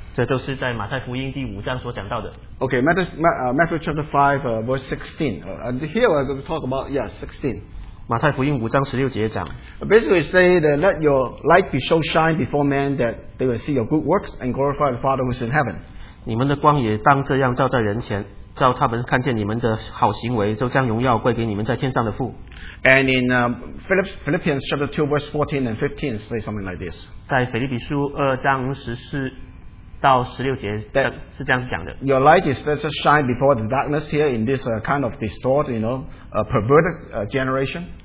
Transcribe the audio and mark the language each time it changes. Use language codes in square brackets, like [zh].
[zh] 这就是在马太福音第五章所讲到的。 [en] Okay, Matthew chapter 5 verse 16. And here we're going to talk about 16. [zh] 马太福音五章十六节讲 [en] ，Basically say that let your light be so shine before men that they will see your good works and glorify the Father who is in heaven. [zh] 你们的光也当这样照在人前，叫他们看见你们的好行为，就将荣耀归给你们在天上的父。 [en] And in Philippians chapter 2 verse 14 and 15 say something like this. [zh] 在腓立比书二章十四到十六节是这样讲的。 [en] Your light is let us shine before the darkness here in this kind of distorted, you know, perverted generation.